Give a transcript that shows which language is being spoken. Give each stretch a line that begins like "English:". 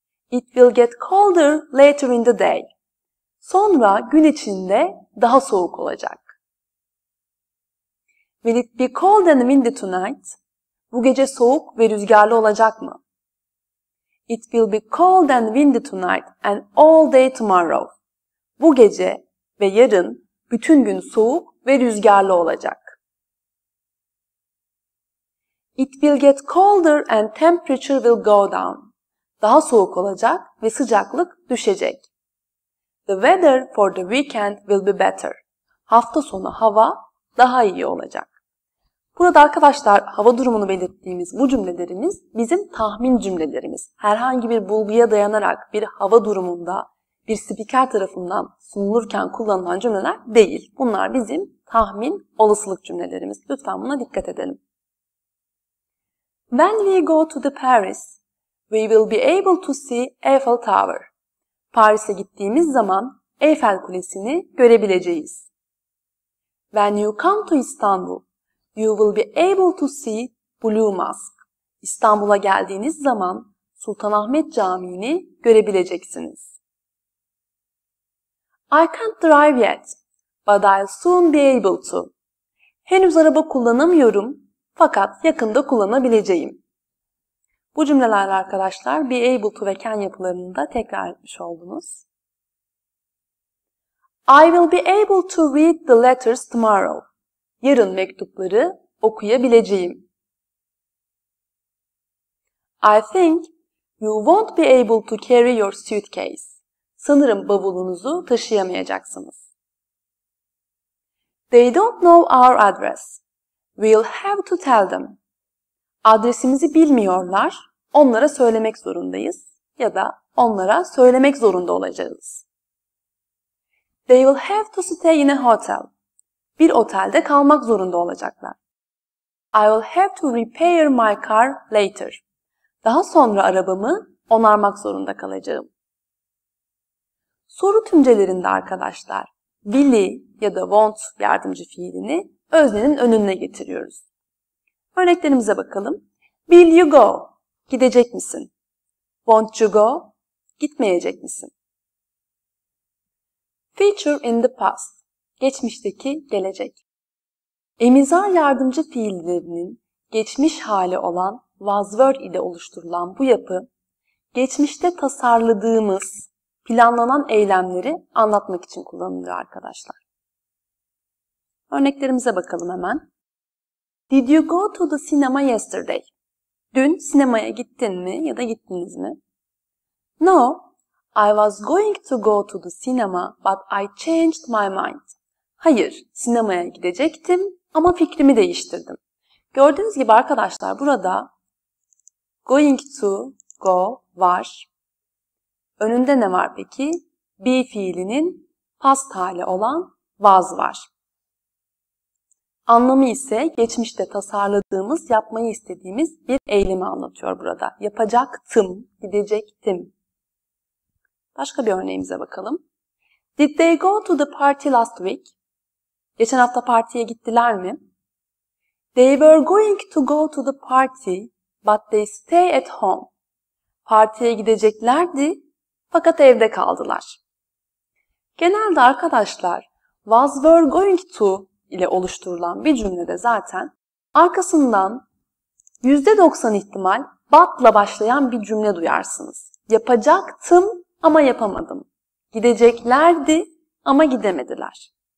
English: It will get colder later in the day.
Turkish: Sonra gün içinde daha soğuk olacak.
English: Will it be cold and windy tonight?
Turkish: Bu gece soğuk ve rüzgarlı olacak mı?
English: It will be cold and windy tonight and all day tomorrow.
Turkish: Bu gece ve yarın bütün gün soğuk ve rüzgarlı olacak.
English: It will get colder and temperature will go down.
Turkish: Daha soğuk olacak ve sıcaklık düşecek.
English: The weather for the weekend will be better.
Turkish: Hafta sonu hava daha iyi olacak. Burada arkadaşlar hava durumunu belirttiğimiz bu cümlelerimiz bizim tahmin cümlelerimiz. Herhangi bir bulguya dayanarak bir hava durumunda bir spiker tarafından sunulurken kullanılan cümleler değil. Bunlar bizim tahmin, olasılık cümlelerimiz. Lütfen buna dikkat edelim.
English: When we go to the Paris, we will be able to see Eiffel Tower.
Turkish: Paris'e gittiğimiz zaman Eiffel Kulesi'ni görebileceğiz.
English: When you come to Istanbul, you will be able to see Blue Mosque.
Turkish: İstanbul'a geldiğiniz zaman Sultanahmet Camii'ni görebileceksiniz.
English: I can't drive yet, but I'll soon be able to.
Turkish: Henüz araba kullanamıyorum, fakat yakında kullanabileceğim. Bu cümlelerle arkadaşlar be able to ve can yapılarını da tekrar etmiş oldunuz.
English: I will be able to read the letters tomorrow.
Turkish: Yarın mektupları okuyabileceğim.
English: I think you won't be able to carry your suitcase.
Turkish: Sanırım bavulunuzu taşıyamayacaksınız.
English: They don't know our address. We'll have to tell them.
Turkish: Adresimizi bilmiyorlar. Onlara söylemek zorundayız ya da onlara söylemek zorunda olacağız.
English: They will have to stay in a hotel.
Turkish: Bir otelde kalmak zorunda olacaklar.
English: I will have to repair my car later.
Turkish: Daha sonra arabamı onarmak zorunda kalacağım. Soru tümcelerinde arkadaşlar, will'i ya da won't yardımcı fiilini öznenin önüne getiriyoruz. Örneklerimize bakalım.
English: Will you go?
Turkish: Gidecek misin?
English: Won't you go?
Turkish: Gitmeyecek misin?
English: Future in the past.
Turkish: Geçmişteki gelecek. Emizar yardımcı fiillerinin geçmiş hali olan was were ile oluşturulan bu yapı, geçmişte tasarladığımız, planlanan eylemleri anlatmak için kullanılıyor arkadaşlar. Örneklerimize bakalım hemen.
English: Did you go to the cinema yesterday?
Turkish: Dün sinemaya gittin mi ya da gittiniz mi?
English: No, I was going to go to the cinema but I changed my mind.
Turkish: Hayır, sinemaya gidecektim ama fikrimi değiştirdim. Gördüğünüz gibi arkadaşlar burada going to go var. Önünde ne var peki? Be fiilinin past hali olan was var. Anlamı ise geçmişte tasarladığımız, yapmayı istediğimiz bir eylemi anlatıyor burada. Yapacaktım, gidecektim. Başka bir örneğimize bakalım.
English: Did they go to the party last week?
Turkish: Geçen hafta partiye gittiler mi?
English: They were going to go to the party, but they stay at home.
Turkish: Partiye gideceklerdi, fakat evde kaldılar. Genelde arkadaşlar, was were going to ile oluşturulan bir cümlede zaten arkasından %90 ihtimal but'la başlayan bir cümle duyarsınız. Yapacaktım ama yapamadım. Gideceklerdi ama gidemediler.